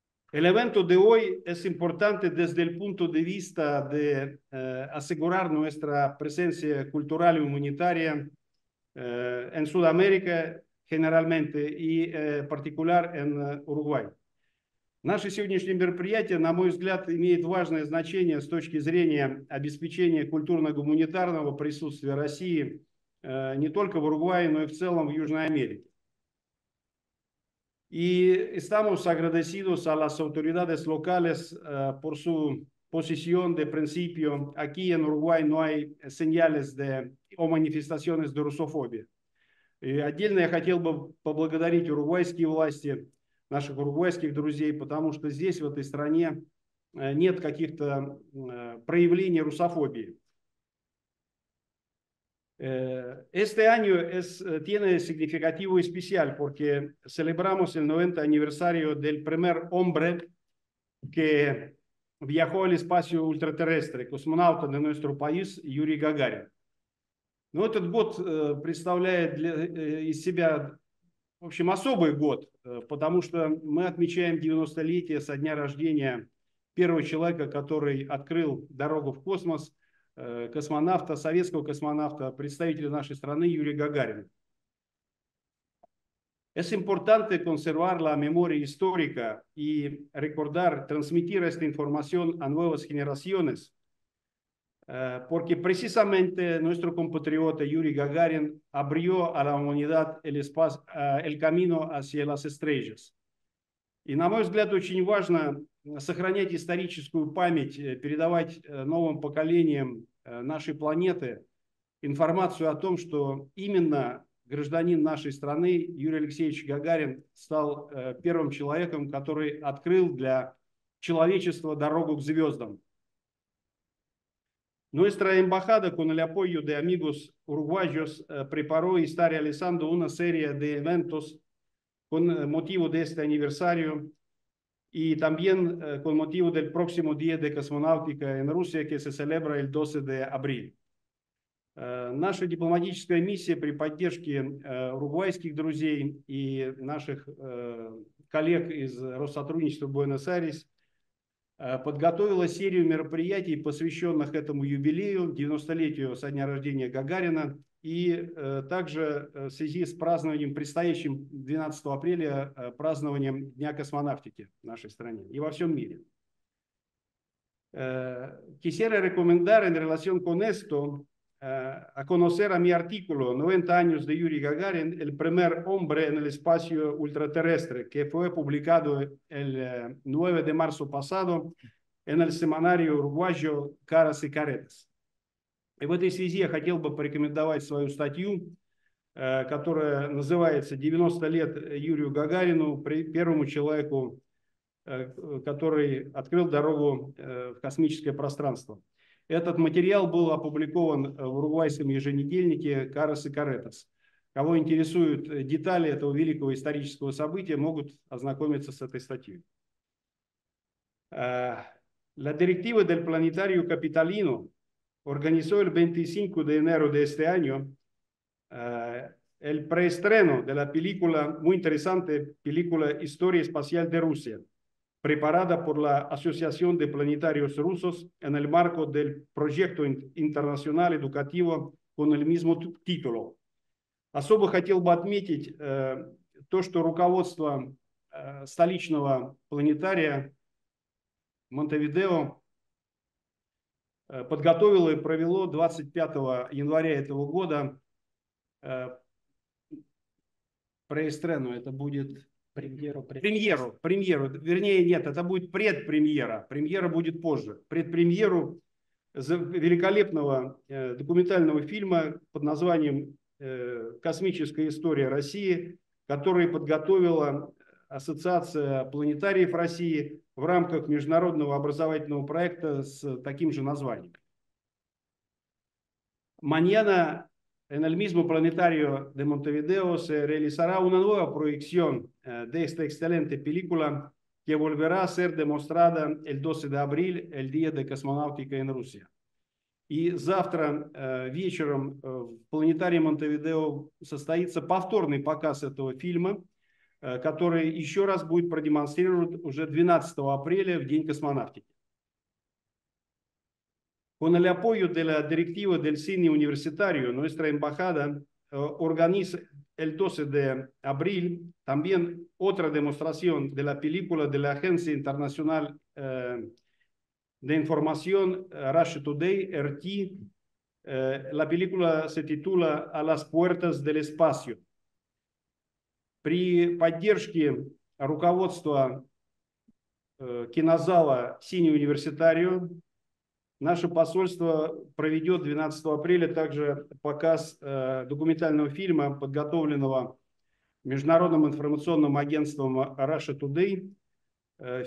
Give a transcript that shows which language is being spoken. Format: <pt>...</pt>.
<es>El evento de hoy es importante desde el punto de vista de asegurar nuestra presencia cultural y humanitaria en Sudamérica. Generalmente y particular en Uruguay.</es> <ru>Наше сегодняшнее мероприятие, на мой взгляд, имеет важное значение с точки зрения обеспечения культурно-гуманитарного присутствия России не только в Уругвае, но и в целом в Южной Америке.</ru> <es>Y estamos agradecidos a las autoridades locales por su posición de principio. Aquí en Uruguay no hay señales de o manifestaciones de русофобия.</es> <ru>И отдельно я хотел бы поблагодарить уругвайские власти, наших уругвайских друзей, потому что здесь, в этой стране, нет каких-то проявлений русофобии.</ru> <es>Este año tiene significativo especial, porque celebramos el 90 aniversario del primer hombre que в Яхоалиспасию ультратеррестре, космонавта на нашу пояс Юрий Гагарин.</es> <ru>Ну, этот год представляет из себя, в общем, особый год, потому что мы отмечаем 90-летие со дня рождения первого человека, который открыл дорогу в космос, космонавта, советского космонавта, представителя нашей страны Юрий Гагарин.</ru> <es>Es importante conservar la memoria histórica y recordar, transmitir esta información a nuevas generaciones, porque precisamente nuestro compatriota Yuri Gagarin abrió a la humanidad el espacio, el camino hacia las estrellas.</es> <ru>И, на мой взгляд, очень важно сохранять историческую память, передавать новым поколениям нашей планеты информацию о том, что именно гражданин нашей страны Юрий Алексеевич Гагарин стал первым человеком, который открыл для человечества дорогу к звездам.</ru> <es>Nuestra embajada, con el apoyo de amigos uruguayos, preparó y está realizando una serie de eventos con motivo de este aniversario y también con motivo del próximo Día de Cosmonáutica en Rusia, que se celebra el 12 de abril.</es> <ru>Наша дипломатическая миссия при поддержке уругвайских друзей и наших коллег из Россотрудничества Буэнос-Айрес подготовила серию мероприятий, посвященных этому юбилею, 90-летию со дня рождения Гагарина, и также в связи с празднованием предстоящим 12 апреля, празднованием Дня космонавтики в нашей стране и во всем мире.</ru> <es>Quisiera recomendar en relación con esto a conocer a mi artículo 90 años de Yuri Gagarin, el primer hombre en el espacio ultraterrestre, que fue publicado el 9 de marzo pasado en el semanario uruguayo Caras y Caretas. Y en esta</es> <ru>связи я хотел бы порекомендовать свою статью, которая называется 90 лет Юрию Гагарину, первому человеку, который открыл дорогу в космическое пространство. Этот материал был опубликован в уругвайском еженедельнике «Карас и Каретас». Кого интересуют детали этого великого исторического события, могут ознакомиться с этой статьей.</ru> <es>La directiva del Planetario Capitalino organizó el 25 de enero de este año el preestreno de la película, muy interesante, película «Historia espacial de Rusia», preparada por la Asociación de Planetarios Rusos en el marco del proyecto internacional educativo con el mismo título.</es> <ru>Особо хотел бы отметить то, что руководство столичного планетария Монтевидео подготовило и провело 25 января этого года преэстрену. Это будет премьера будет позже, предпремьеру великолепного документального фильма под названием «Космическая история России», который подготовила Ассоциация планетариев России в рамках международного образовательного проекта с таким же названием.</ru> <es>Mañana en el mismo planetario de Montevideo se realizará una nueva proyección de esta excelente película que volverá a ser demostrada el 12 de abril, el Día de Cosmonáutica en Rusia.</es> <ru>Y завтра вечером в планетарии Montevideo состоится повторный показ этого фильма, который еще раз будет продемонстрирован уже 12 апреля в День космонавтики.</ru> <es>Con el apoyo de la directiva del cine universitario, nuestra embajada organiza el 12 de abril también otra demostración de la película de la Agencia Internacional de Información Russia Today, RT. La película se titula «A las puertas del espacio».</es> <ru>При поддержке руководства кинозала «Cine Universitario» наше посольство проведет 12 апреля также показ документального фильма, подготовленного международным информационным агентством Russia Today.</ru>